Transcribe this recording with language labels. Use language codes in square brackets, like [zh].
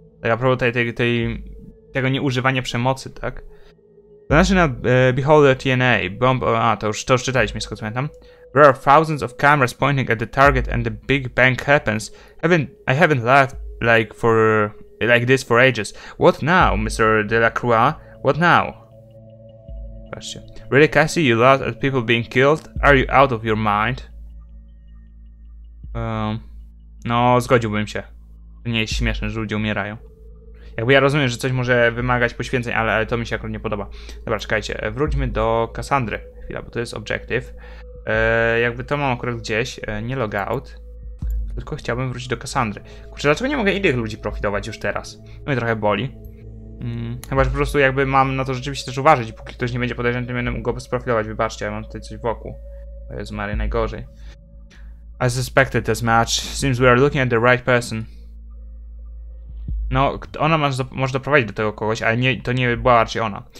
[pl] Tak, a propos tego nieużywania przemocy, tak? The National Beholder TNA, bomb, to już czytaliśmy, jeszcze pamiętam. [en] There are thousands of cameras pointing at the target and the big bang happens. I haven't laughed like this for ages. What now, Mr. Delacroix? What now? Question. Really, Cassie, you laugh at people being killed? Are you out of your mind? [pl] No, zgodziłbym się. To nie jest śmieszne, że ludzie umierają. Jakby ja rozumiem, że coś może wymagać poświęceń, ale to mi się akurat nie podoba. Dobra, czekajcie. Wróćmy do Cassandry. Chwila, bo to jest objective. Jakby to mam akurat gdzieś. Nie logout. Tylko chciałbym wrócić do Cassandry. Kurczę, dlaczego nie mogę innych ludzi profilować już teraz? Mnie trochę boli. Chyba, że po prostu jakby mam na to rzeczywiście też uważać, póki ktoś nie będzie podejrzany, to będę mógł go sprofilować. Wybaczcie, ja mam tutaj coś wokół. To jest Mary najgorzej. [en] I suspected this match. Seems we are looking at the right person. [pl] No, ona może doprowadzić do tego kogoś, ale to nie była raczej ona.